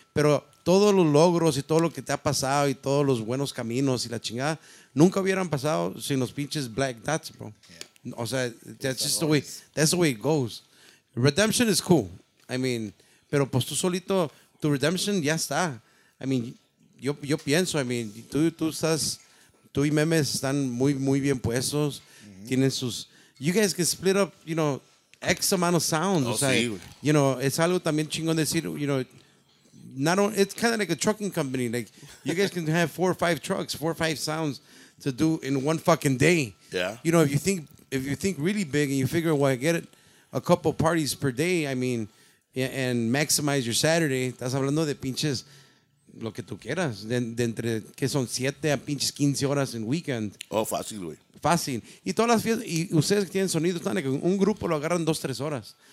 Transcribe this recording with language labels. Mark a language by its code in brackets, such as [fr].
[es] Pero todos los logros y todo lo que te ha pasado y todos los buenos caminos y la chingada nunca hubieran pasado sin los pinches black dots, bro. [en] Yeah. [es] O sea, [en] that's the way it goes. Redemption is cool. I mean, [es] pero pues tú solito, tu redemption ya está. [en] I mean, [es] Yo pienso, I mean, tú y Memes están muy, muy bien puestos. Mm-hmm. Tienen sus... [en] You guys can split up, you know, X amount of sounds. You know, [es] es algo también chingón decir, [en] you know, it's kind of like a trucking company. Like, you guys can have 4 or 5 trucks, 4 or 5 sounds to do in one fucking day. Yeah. You know, if you think really big and you figure, well, I get a couple parties per day, I mean, and maximize your Saturday, [es] estás hablando de pinches... Lo que tú quieras, de entre que son 7 a pinches 15 horas en weekend. Oh, fácil, güey. Fácil. Y todas las fiestas, y ustedes que tienen sonido, están que un grupo lo agarran 2-3 horas.